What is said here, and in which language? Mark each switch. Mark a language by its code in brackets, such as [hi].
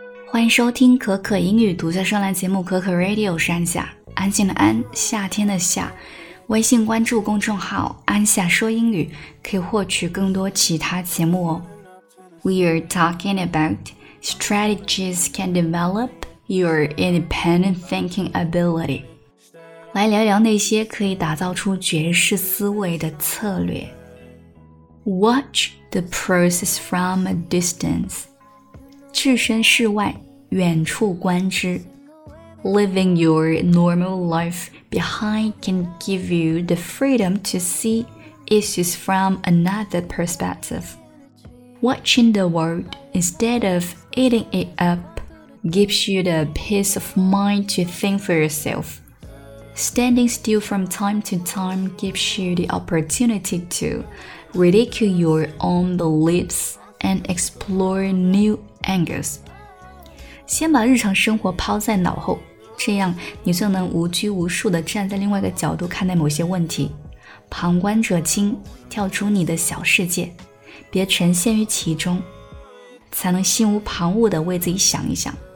[zh] 欢迎收听可可英语独家专栏节目可可 Radio 山下，安静的安，夏天的夏。微信关注公众号安夏说英语，可以获取更多其他节目哦。 [en] We are talking about strategies can develop your independent thinking ability. [zh] 来聊聊那些可以打造出爵士思维的策略。 [en] Watch the process from a distance. [zh] 置身事外，远处观之。 [en] Living your normal life behind can give you the freedom to see issues from another perspective. Watching the world instead of eating it up gives you the peace of mind to think for yourself. Standing still from time to time gives you the opportunity to ridicule your own beliefs and explore new angles. [zh] 先把日常生活抛在脑后，这样你就能无拘无束地站在另外一个角度看待某些问题。旁观者清，跳出你的小世界。别沉陷于其中，才能心无旁骛地为自己想一想。